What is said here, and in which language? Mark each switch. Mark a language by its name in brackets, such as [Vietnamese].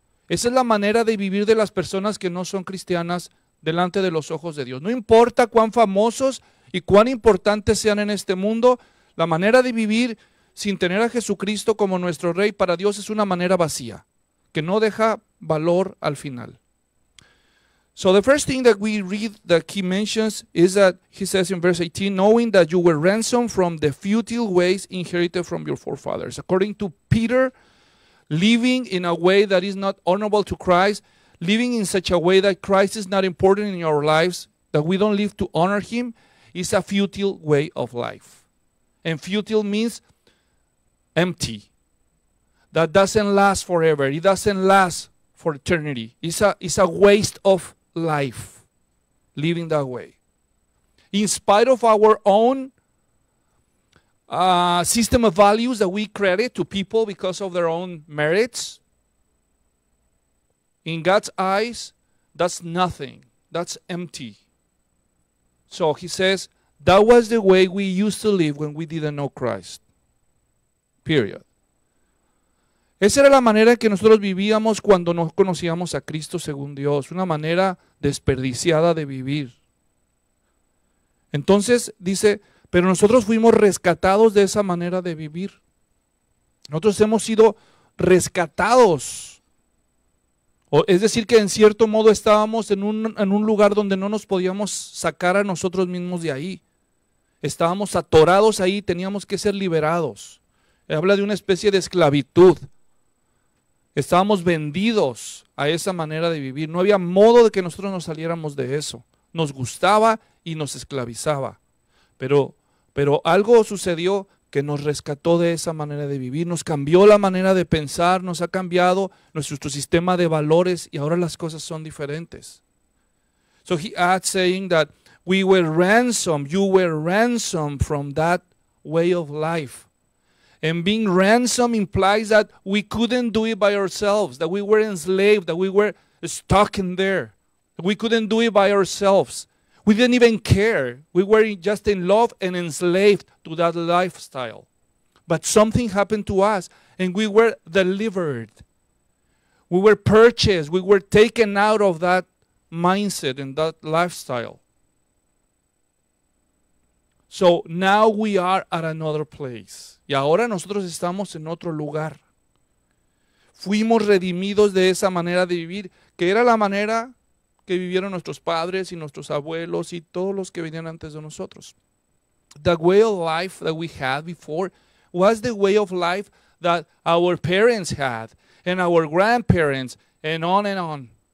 [Spanish] Esa es la manera de vivir de las personas que no son cristianas delante de los ojos de Dios. No importa cuán famosos y cuán importantes sean en este mundo, la manera de vivir sin tener a Jesucristo como nuestro Rey para Dios es una manera vacía, que no deja valor al final. [English] So the first thing that we read that he mentions is that he says in verse 18, knowing that you were ransomed from the futile ways inherited from your forefathers. According to Peter, living in a way that is not honorable to Christ, living in such a way that Christ is not important in our lives, that we don't live to honor him, is a futile way of life. And futile means empty. That doesn't last forever. It doesn't last for eternity. It's a waste of life, living that way. In spite of our own system of values that we credit to people because of their own merits, in God's eyes, that's nothing. That's empty. So he says, that was the way we used to live when we didn't know Christ. Period. [Spanish] Esa era la manera que nosotros vivíamos cuando no conocíamos a Cristo según Dios. Una manera desperdiciada de vivir. Entonces dice, pero nosotros fuimos rescatados de esa manera de vivir. Nosotros hemos sido rescatados. Es decir, que en cierto modo estábamos en un lugar donde no nos podíamos sacar a nosotros mismos de ahí. Estábamos atorados ahí, teníamos que ser liberados. Habla de una especie de esclavitud. Estábamos vendidos a esa manera de vivir. No había modo de que nosotros nos saliéramos de eso. Nos gustaba y nos esclavizaba. Pero algo sucedió que nos rescató de esa manera de vivir. Nos cambió la manera de pensar, nos ha cambiado nuestro sistema de valores y ahora las cosas son diferentes. [English] So he adds saying that we were ransomed, you were ransomed from that way of life. And being ransomed implies that we couldn't do it by ourselves, that we were enslaved, that we were stuck in there. We couldn't do it by ourselves. We didn't even care. We were just in love and enslaved to that lifestyle. But something happened to us and we were delivered. We were purchased. We were taken out of that mindset and that lifestyle. So now we are at another place. [Spanish] Y ahora nosotros estamos en otro lugar. fuimos redimidos de esa manera de vivir, que era la manera que vivieron nuestros padres y nuestros abuelos y todos los que venían antes de nosotros. [English] The way of life that we had before was the way of life that our parents had and our grandparents and on and on.